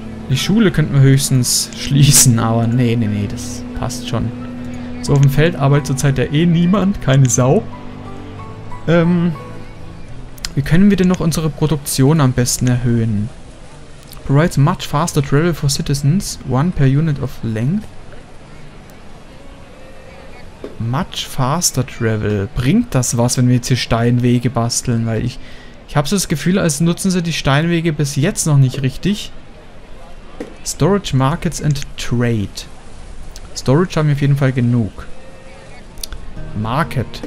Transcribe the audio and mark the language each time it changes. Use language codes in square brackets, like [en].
[de] Die Schule könnten wir höchstens schließen, aber nee, das passt schon. So, auf dem Feld arbeitet zurzeit ja eh niemand, keine Sau. Wie können wir denn noch unsere Produktion am besten erhöhen? [en] Provides much faster travel for citizens, one per unit of length. Much faster travel. [de] Bringt das was, wenn wir jetzt hier Steinwege basteln? Weil ich habe so das Gefühl, als nutzen sie die Steinwege bis jetzt noch nicht richtig. [en] Storage markets and trade. [de] Storage haben wir auf jeden Fall genug. [en] Market.